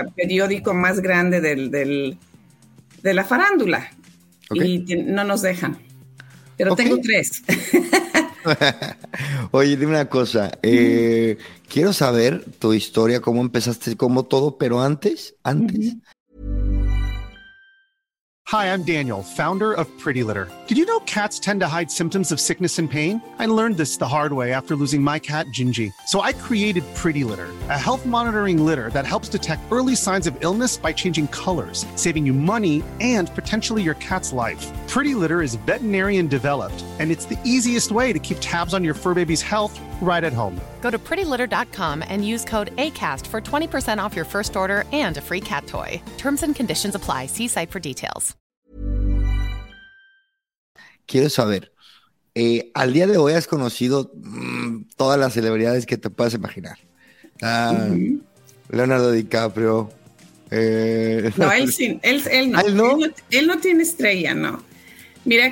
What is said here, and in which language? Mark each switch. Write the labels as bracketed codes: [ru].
[es] el periódico más grande de la farándula. Okay. Y no nos dejan, pero tengo Okay. tres. Oye, dime una cosa. Quiero saber tu historia, cómo empezaste, cómo todo, pero antes. [en] Hi, I'm Daniel, founder of Pretty Litter. Did you know cats tend to hide symptoms of sickness and pain? I learned this the hard way after losing my cat, Gingy. So I created Pretty Litter, a health monitoring litter that helps detect early signs of illness by changing colors, saving you money and potentially your cat's life. Pretty Litter is veterinarian developed, and it's the easiest way to keep tabs on your fur baby's health right at home. Go to prettylitter.com and use code ACAST for 20% off your first order and a free cat toy. Terms and conditions apply. See site for details. [es] Quiero saber, al día de hoy has conocido todas las celebridades que te puedas imaginar. Ah, Leonardo DiCaprio. No, él sí, él ¿A no. él no? Él no tiene estrella, no. Mira, he